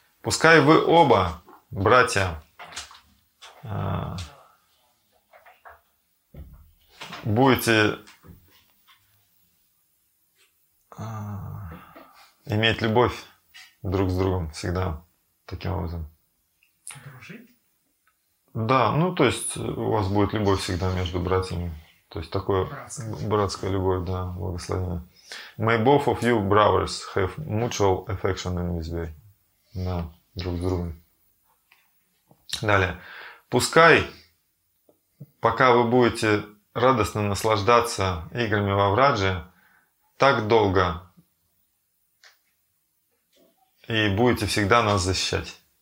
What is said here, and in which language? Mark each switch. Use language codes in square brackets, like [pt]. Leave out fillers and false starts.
[ru] Пускай вы оба, братья, будете иметь любовь друг с другом всегда таким образом. Дружить? Да, ну то есть у вас будет любовь всегда между братьями. То есть такое братская любовь, да, благословение. [en] May both of you brothers have mutual affection in this way. [ru] Да, друг с другом. Далее. Пускай, пока вы будете радостно наслаждаться играми во Врадже, так долго и будете всегда нас защищать.